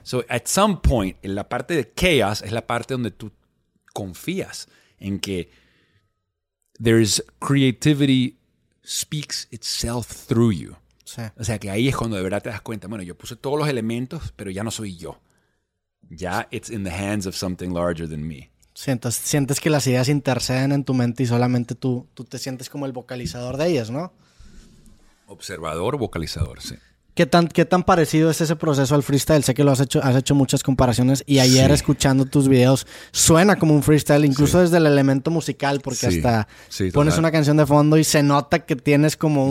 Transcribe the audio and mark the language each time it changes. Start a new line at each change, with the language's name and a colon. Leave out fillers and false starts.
English: So at some point,
Spanish: en la parte de chaos, es la parte donde tú confías en que
English: there's creativity speaks itself through you.
Spanish: Sí. O sea, que ahí es cuando de verdad te das cuenta. Bueno, yo puse todos los elementos, pero ya no soy yo.
English: Ya it's in the hands of something larger than me.
Spanish: Sientes que las ideas interceden en tu mente y solamente tú te sientes como el vocalizador de ellas, ¿no? Observador, vocalizador, sí. ¿Qué tan parecido es ese proceso al freestyle? Sé que lo has hecho muchas comparaciones y ayer sí. escuchando tus videos suena como un freestyle, incluso sí. desde el elemento musical, porque hasta pones una canción de fondo y se nota que tienes como un...